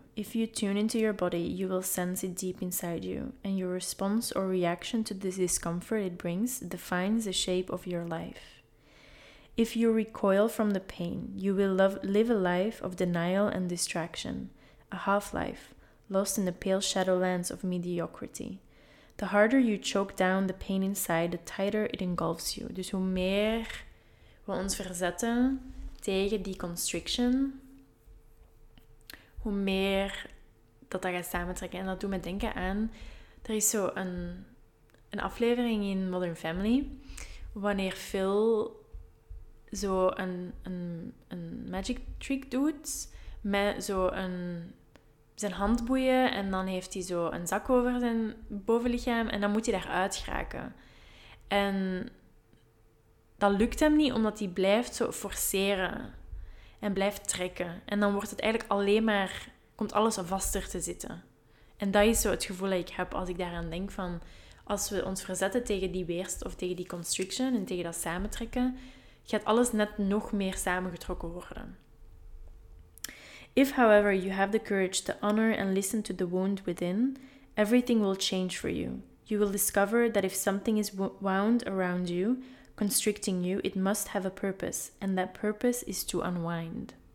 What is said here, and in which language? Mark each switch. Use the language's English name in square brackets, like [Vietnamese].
[English] If you tune into your body, you will sense it deep inside you, and your response or reaction to the discomfort it brings defines the shape of your life. If you recoil from the pain, you will live a life of denial and distraction, a half-life, lost in the pale shadowlands of mediocrity. The harder you choke down the pain inside, the tighter it engulfs you. [Dutch] Dus hoe meer we ons verzetten tegen die constriction, hoe meer dat gaat samentrekken. En dat doet me denken aan, er is zo een aflevering in Modern Family, wanneer Phil zo een magic trick doet met zo een zijn handboeien en dan heeft hij zo een zak over zijn bovenlichaam en dan moet hij daaruit geraken. En dat lukt hem niet, omdat hij blijft zo forceren en blijft trekken. En dan wordt het eigenlijk alleen maar, komt alles vaster te zitten. En dat is zo het gevoel dat ik heb als ik daaraan denk van, als we ons verzetten tegen die weerst of tegen die constriction en tegen dat samentrekken, gaat alles net nog meer samengetrokken worden. [English] If, however, you have the courage to honor and listen to the wound within, everything will change for you. You will discover that if something is wound around you, constricting you, it must have a purpose, and that purpose is to unwind.